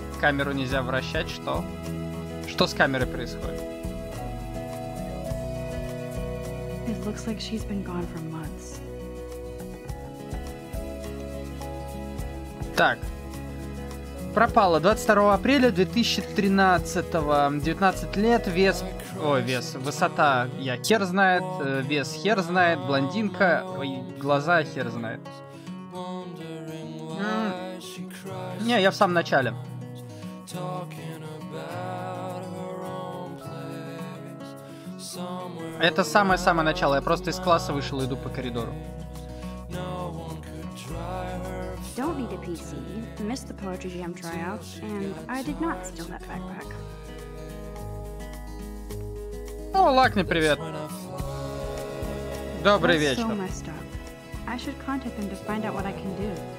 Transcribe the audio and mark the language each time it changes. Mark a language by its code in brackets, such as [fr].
[ru] Камеру нельзя вращать, что? Что с камерой происходит? [en] It looks like she's been gone for months. [ru] Так. Пропала 22 апреля 2013-го. 19 лет, вес... Ой, вес, высота я хер знает, вес хер знает, блондинка, ой, глаза хер знает. Не, я в самом начале. Это самое-самое начало. Я просто из класса вышел и иду по коридору. [en] Don't need a PC. Missed the poetry jam tryout, and I did not steal that backpack. [ru] О, Лакни, привет. Добрый вечер. [en] So messed up. I should contact them to find out what I can do.